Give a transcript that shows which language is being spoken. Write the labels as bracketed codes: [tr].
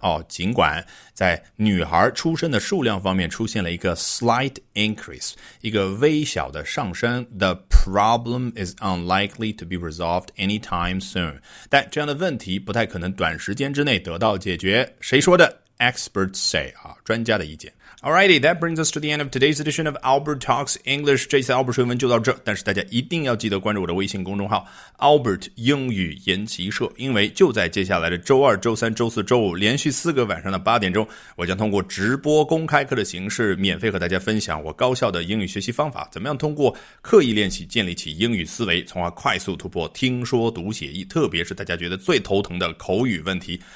[zh] 哦，尽管在女孩出生的数量方面出现了一个 [en] slight increase， [zh] 一个微小的上升， [en] the problem is unlikely to be resolved anytime soon， [zh] 但这样的问题不太可能短时间之内得到解决。谁说的？ [en] Experts say， [zh] 啊，专家的意见。 [en] Alrighty, that brings us to the end of today's edition of Albert Talks English. [zh] 这次 Albert 英文就到这，但是大家一定要记得关注我的微信公众号 Albert 英语研习社，因为就在接下来的周二、周三、周四、周五连续四个晚上的八点钟，我将通过直播公开课的形式免费和大家分享我高效的英语学习方法，怎么样通过刻意练习建立起英语思维，从而快速突破听说读写译，特别是大家觉得最头疼的口语问题。